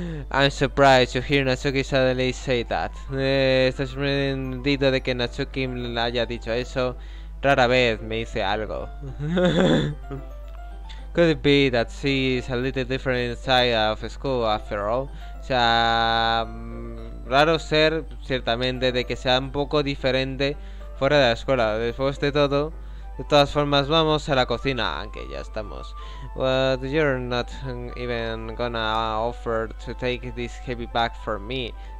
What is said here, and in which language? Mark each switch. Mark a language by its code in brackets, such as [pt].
[en] I'm surprised to hear Natsuki suddenly say that. [es] Estoy sorprendido de que Natsuki haya dicho eso. Rara vez me dice algo. [en] Could it be that she is a little different inside of school after all? [es] O sea, raro ser, ciertamente, de que sea un poco diferente fuera de la escuela. Después de todo, de todas formas, vamos a la cocina, aunque ya estamos. [en] But you're not even gonna offer to take this heavy bag for me.